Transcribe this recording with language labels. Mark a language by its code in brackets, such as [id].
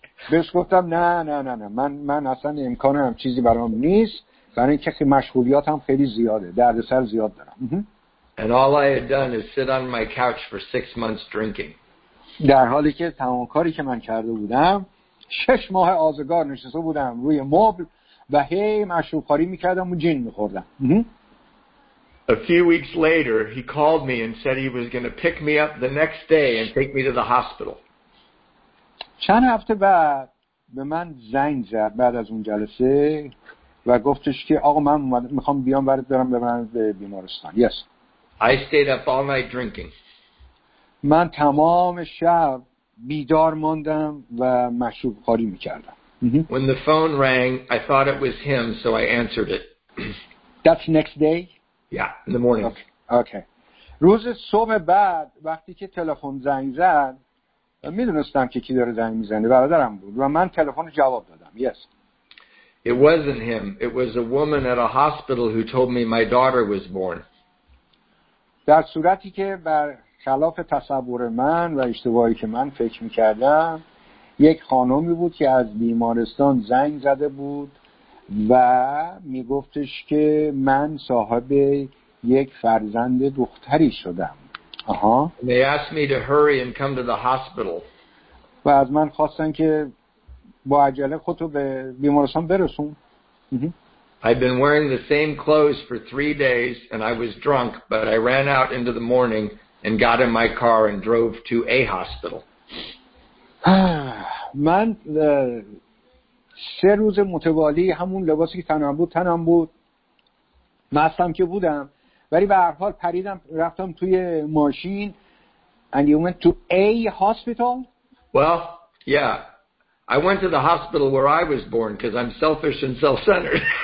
[fa] بهش گفتم نه نه نه نه من اصلا امکان هم چیزی برام نیست برای اینکه مشغولیات هم خیلی زیاده دردسر زیاد دارم. [en] And all I had done is sit on my couch for 6 months drinking. [fa] در حالی که تمام کاری که من کرده بودم 6 ماه آزگار نشسته بودم روی مبل و هی مشروب‌خوری می‌کردم و جین می‌خوردم. [en] A few weeks later, he called me and said he was going to pick me up the next day and take me to the hospital. [fa] چند هفته بعد به من زنگ زد بعد از اون جلسه و گفتش که آقا من می‌خوام بیام برات برم به بیمارستان. [en] Yes. I stayed up all night drinking. [fa] من تمام شب بیدار ماندم و مشروب خوری می‌کردم. [en] When the phone rang, I thought it was him, so I answered it. That's next day? Yeah, in the morning. Okay. [fa] روز صبح بعد وقتی که تلفن زنگ زد، می‌دونستم که کی داره زنگ می‌زنه، برادرم بود و من تلفن رو جواب دادم. [en] Yes. It wasn't him. It was a woman at a hospital who told me my daughter was born. [fa] در صورتی که بر خلاف تصور من و اشتباهی که من فکر می‌کردم یک خانومی بود که از بیمارستان زنگ زده بود و می‌گفتش که من صاحب یک فرزند دختری شدم. آها. [en] They asked me to hurry and come to the hospital. [fa] و از من خواستن که با عجله خودتو به بیمارستان برسون. [en] I'd been wearing the same clothes for 3 days and I was drunk, but I ran out into the morning and got in my car and drove to a hospital. [fa] من 3 روز متوالی همون لباسی که تنم بود مستم که بودم ولی به هر حال پریدم رفتم توی ماشین. [en] And you went to a hospital? Well, yeah. I went to the hospital where I was born because I'm selfish and self-centered.